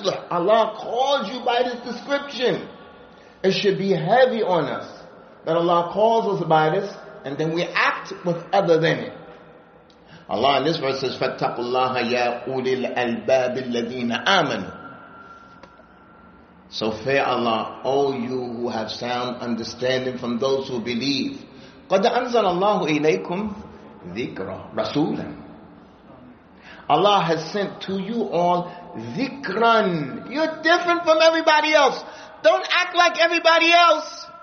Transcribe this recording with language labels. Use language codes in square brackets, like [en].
[en] Allah calls you by this description. It should be heavy on us that Allah calls us by this and then we act with other than it. Allah in this verse says, [ar] فَاتَّقُوا اللَّهَ يَا أُولِي الْأَلْبَابِ الَّذِينَ آمَنُوا. [en] So fear Allah, O you who have sound understanding from those who believe. [ar] قَدْ أَنزَلَ اللَّهُ إِلَيْكُمْ ذِكْرًا رَسُولًا. [en] Allah has sent to you all dhikran. You're different from everybody else. Don't act like everybody else.